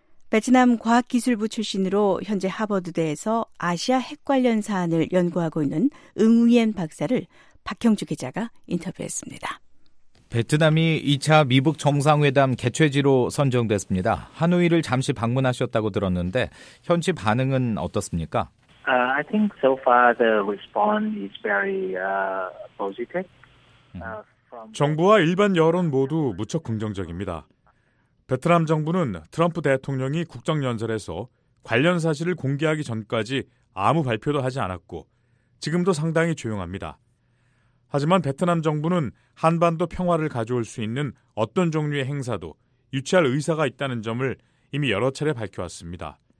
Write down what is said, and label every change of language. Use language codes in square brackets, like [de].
[ko] 베트남 과학기술부 출신으로 현재 하버드대에서 아시아 핵 관련 사안을 연구하고 있는 응우엔 박사를 박형주 기자가 인터뷰했습니다. 베트남이 2차 미북 정상회담 개최지로 선정됐습니다. 하노이를 잠시 방문하셨다고 들었는데 현지 반응은 어떻습니까? [en] I think so far the response is very positive. [ko] 정부와 일반 여론 모두 무척 긍정적입니다. 베트남 정부는 트럼프 대통령이 국정연설에서 관련 사실을 공개하기 전까지 아무 발표도 하지 않았고 지금도 상당히 조용합니다. 하지만 베트남 정부는 한반도 평화를 가져올 수 있는 어떤 종류의 행사도 유치할 의사가 있다는 점을 이미 여러 차례 밝혀왔습니다.